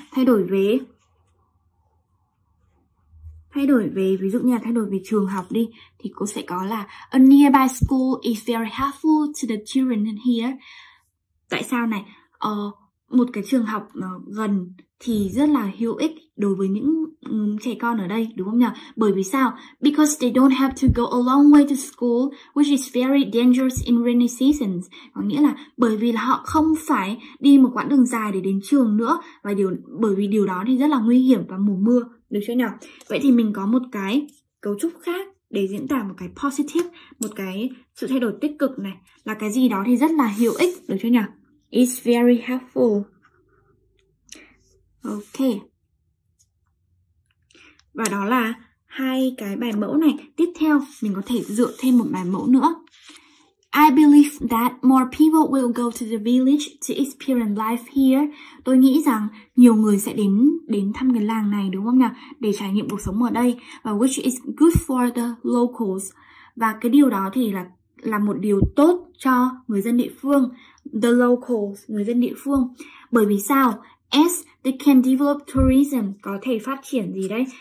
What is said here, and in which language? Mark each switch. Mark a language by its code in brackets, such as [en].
[vi] Thay đổi về ví dụ như là thay đổi về trường học đi, thì cũng sẽ có là [en] a nearby school is very helpful to the children here. [vi] Tại sao này? Một cái trường học nó gần thì rất là hữu ích đối với những trẻ con ở đây, đúng không nhỉ? Bởi vì sao? [en] Because they don't have to go a long way to school, which is very dangerous in rainy seasons. [vi] Có nghĩa là bởi vì là họ không phải đi một quãng đường dài để đến trường nữa, và bởi vì điều đó thì rất là nguy hiểm vào mùa mưa, đúng chưa nhỉ? Vậy thì mình có một cái cấu trúc khác để diễn tả một cái positive, một cái sự thay đổi tích cực này, là cái gì đó thì rất là hữu ích, đúng chưa nhỉ? [en] It's very helpful. Okay. [vi] Và đó là hai cái bài mẫu này. Tiếp theo, mình có thể dựa thêm một bài mẫu nữa. [en] I believe that more people will go to the village to experience life here. [vi] Tôi nghĩ rằng nhiều người sẽ đến thăm cái làng này, đúng không nhỉ? Để trải nghiệm cuộc sống ở đây. Và [en] which is good for the locals. [vi] Và cái điều đó thì là một điều tốt cho người dân địa phương. [en] The locals, [vi] người dân địa phương. Bởi vì sao? [en] As they can develop tourism, [vi] có thể phát triển gì đấy?